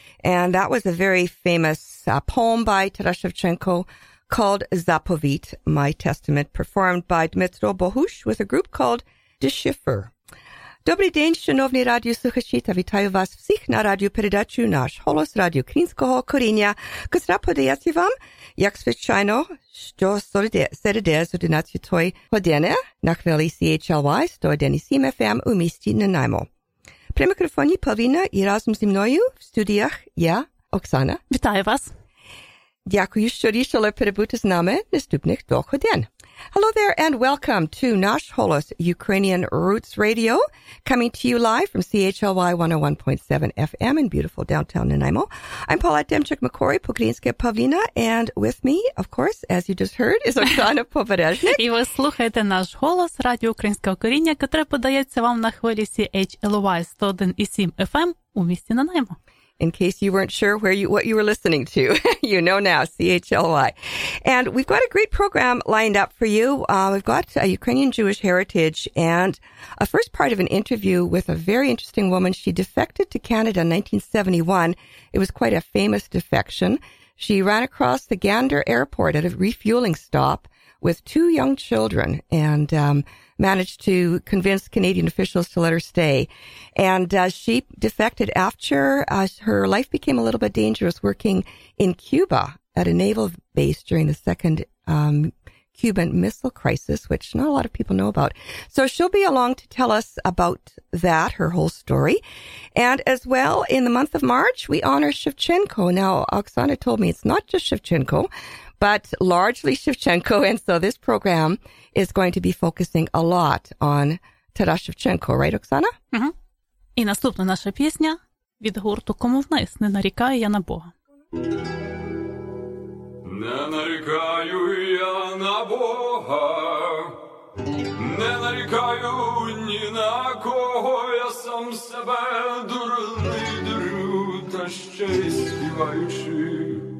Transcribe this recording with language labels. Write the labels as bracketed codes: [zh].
[en] And that was a very famous poem by Taras Shevchenko called Zapovit, My Testament, performed by Dmytro Bohush with a group called Deshiffer. [cs] Dobrý den, [uk] шановні радіо слухачі, та вітаю вас всіх на радіо передачу наш голос радіо українського коріння. Котра подається вам, як звичайно, що середи з 11-ї години на хвилі CHLY 101.7 FM у місті Нанаймо. При мікрофоні Павлина і разом зі мною в студіях я, Оксана. Вітаю вас. Дякую, що рішили перебути з нами наступних 2 годин. [en] Hello there and welcome to Nash Holos Ukrainian Roots Radio, coming to you live from CHLY 101.7 FM in beautiful downtown Nanaimo. I'm Paulette Demchuk-McCory, Pokrinska Pavlina, and with me, of course, as you just heard, is Оксана Побережник. [uk] І ви слухаєте наш голос радіо українського коріння, яке подається вам на хвилі CHLY 101.7 FM у місті Нанаймо. [en] In case you weren't sure where you what you were listening to, you know now, CHLY. And we've got a great program lined up for you. We've got a Ukrainian Jewish heritage and a first part of an interview with a very interesting woman. She defected to Canada in 1971. It was quite a famous defection. She ran across the Gander Airport at a refueling stop with two young children and managed to convince Canadian officials to let her stay. And she defected after her life became a little bit dangerous working in Cuba at a naval base during the second Cuban Missile Crisis, which not a lot of people know about. So she'll be along to tell us about that, her whole story. And as well, in the month of March, we honor Shevchenko. Now, Oksana told me it's not just Shevchenko, but largely Shevchenko. And so this program is going to be focusing a lot on Taras Shevchenko. Right, Оксана? [uk] Угу. І наступна наша пісня від гурту «Кому вниз? Не нарікаю я на Бога». Не нарікаю я на Бога, не нарікаю ні на кого, я сам себе дурний дурю, та ще й співаючи.